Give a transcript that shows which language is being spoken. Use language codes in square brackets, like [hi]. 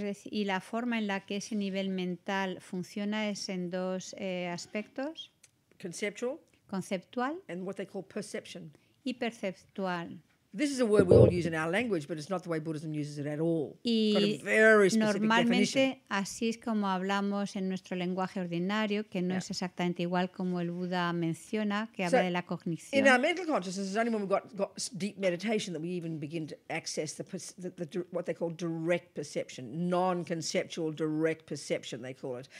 [es] Y la forma en la que ese nivel mental funciona es en dos aspectos. [en] Conceptual. And what they call perception. [es] Y perceptual. [en] This is a word we all use in our language, but it's not the way Buddhism uses it at all. [es] Y [en] it's got a very specific [es] normalmente, [en] definition. [es] Así es como hablamos en nuestro lenguaje ordinario, que no es exactamente igual como el Buda menciona, que habla de la cognición. [en] In our mental consciousness, it's only when we've got deep meditation that we even begin to access what they call direct perception, non-conceptual direct perception, they call it.